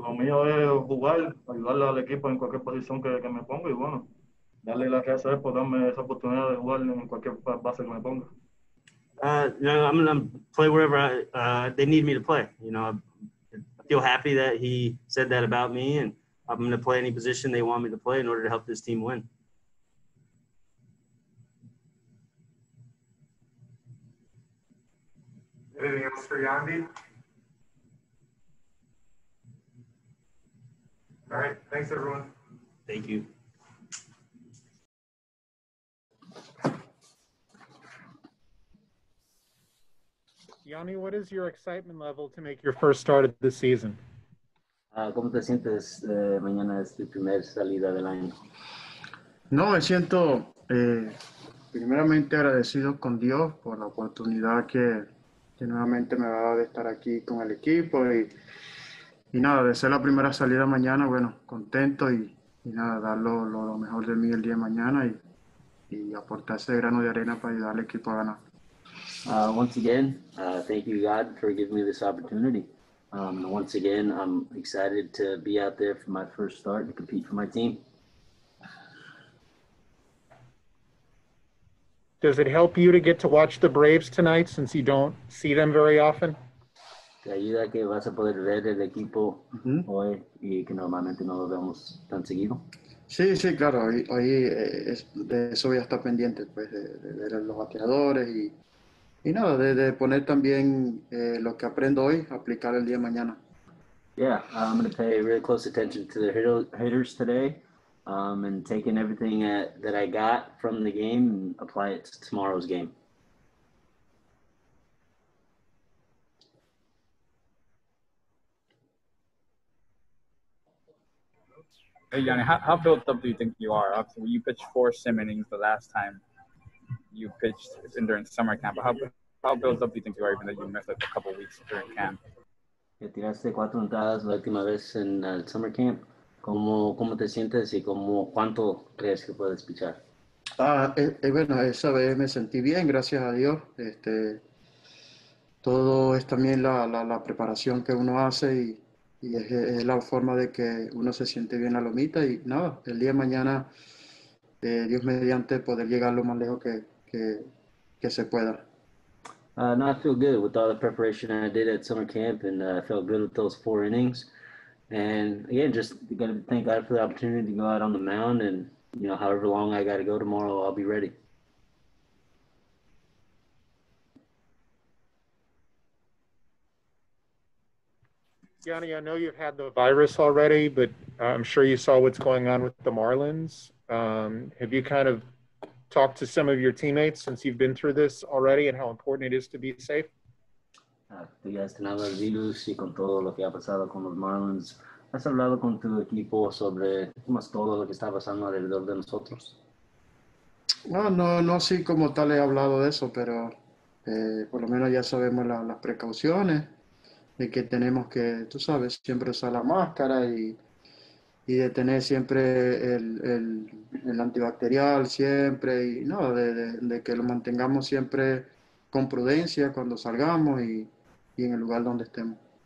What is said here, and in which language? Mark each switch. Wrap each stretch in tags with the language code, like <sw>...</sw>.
<es>Lo mío es jugar, ayudarle al equipo en cualquier posición que me ponga y bueno, darle la gracia a él por darme esa oportunidad de jugar en cualquier base que me ponga.</es> <en>I'm gonna play wherever they need me to play. You know, I feel happy that he said that about me, and I'm gonna play any position they want me to play in order to help this team win. Anything else for Yandy? All right. Thanks, everyone. Thank you. Yanni, what is your excitement level to make your first start of the season?</en> <es>¿Cómo te sientes mañana es tu primera salida del año? No, me siento primeramente agradecido con Dios por la oportunidad que nuevamente me ha dado de estar aquí con el equipo y nada, de ser la primera salida mañana, bueno, contento y nada, dar lo mejor de mí el día de mañana y aportar ese grano de arena para ayudar al equipo a ganar.</es> <en>Once again, thank you, God, for giving me this opportunity. Once again, I'm excited to be out there for my first start and compete for my team. Does it help you to get to watch the Braves tonight since you don't see them very often?</en> <es>Te ayuda que vas a poder ver el equipo hoy y que normalmente no lo vemos tan seguido. Sí, claro. Hoy, de eso voy a estar pendiente, pues, de ver a los bateadores y nada, de poner también lo que aprendo hoy, aplicar el día de mañana.</es> <en>Yeah, I'm going to pay really close attention to the hitters today and taking everything that I got from the game and apply it to tomorrow's game. Hey, Yanni, how built up do you think you are? Obviously, you pitched 4-7 innings the last time you pitched during summer camp. How built up do you think you are, even though you missed a couple of weeks during camp?</en> <es>Que tiraste 4 entradas la última vez en el summer camp. ¿Cómo te sientes y cuánto crees que puedes pichar? Bueno, esa vez me sentí bien, gracias a Dios. Todo es también la preparación que uno hace y es la forma de que uno se siente bien a lomita. Y nada, el día de mañana, Dios mediante, poder llegar lo más lejos que se pueda.</es> <en>No, I feel good with all the preparation I did at summer camp, and I felt good with those four innings. And again, just got to thank God for the opportunity to go out on the mound, and you know, however long I got to go tomorrow, I'll be ready. Yanni, I know you've had the virus already, but I'm sure you saw what's going on with the Marlins. Have you kind of talked to some of your teammates since you've been through this already and how important it is to be safe?</en> <es>Tú ya has tenido el virus y con todo lo que ha pasado con los Marlins, ¿has hablado con tu equipo sobre más todo lo que está pasando alrededor de nosotros? No, sí, como tal he hablado de eso, pero por lo menos ya sabemos las precauciones de que tenemos que, tú sabes, siempre usar la máscara y de tener siempre el antibacterial siempre y nada, no, de que lo mantengamos siempre con prudencia cuando salgamos y en el lugar donde estemos.</es>